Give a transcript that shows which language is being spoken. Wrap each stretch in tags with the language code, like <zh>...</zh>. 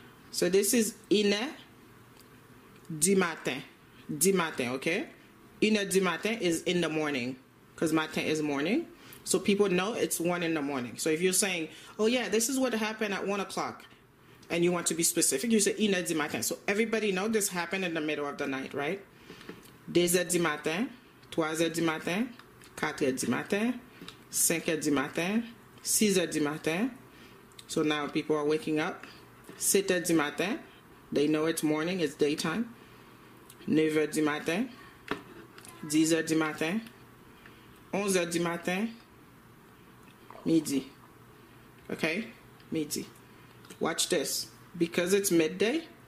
<en>So this is</en> <fr>une du matin,</fr> <en>okay?</en> <fr>Une du matin</fr> <en>is in the morning, because matin is morning. So people know it's 1 a.m. So if you're saying, oh yeah, this is what happened at 1 o'clock, and you want to be specific, you say,</en> <fr>une heure du matin.</fr> <en>So everybody know this happened in the middle of the night, right?</en> <fr>2 heures du matin, 3 heures du matin, 4 heures du matin, 5 heures du matin, 6 heures du matin.</fr> <en>So now people are waking up.</en> <fr>7 heures du matin,</fr> <en>they know it's morning, it's daytime.</en> <fr>9 heures du matin, 10 heures du matin, 11 heures du matin, midi, okay, midi.</fr> <en>Watch this, because it's midday,</en>